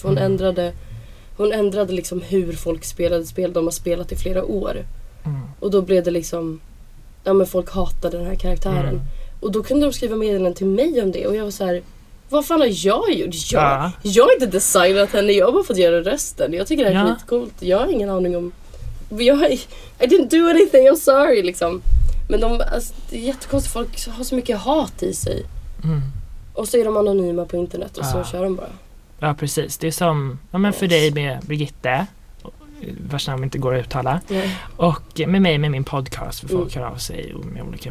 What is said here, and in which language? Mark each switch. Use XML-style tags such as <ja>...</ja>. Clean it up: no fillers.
<sv>För hon ändrade liksom hur folk spelade spel. De har spelat i flera år. Mm. Och då blev det liksom, ja men folk hatade den här karaktären. Mm. Och då kunde de skriva meddelanden till mig om det. Och jag var så här, vad fan har jag gjort? Jag har inte designat henne. Jag har bara fått göra rösten. Jag tycker det här är lite coolt. Jag har ingen aning om...</sv> <en>I didn't do anything, I'm sorry.</en> <sv>Liksom. Men de, alltså, det är jättekonstigt. Folk har så mycket hat i sig. Mm. Och så är de anonyma på internet. Och så kör de bara. Ja, precis. Det är som ja, men för dig med Brigitte. Vars namn inte går att uttala. Och med mig, med min podcast, för folk hör av sig och med olika.</sv>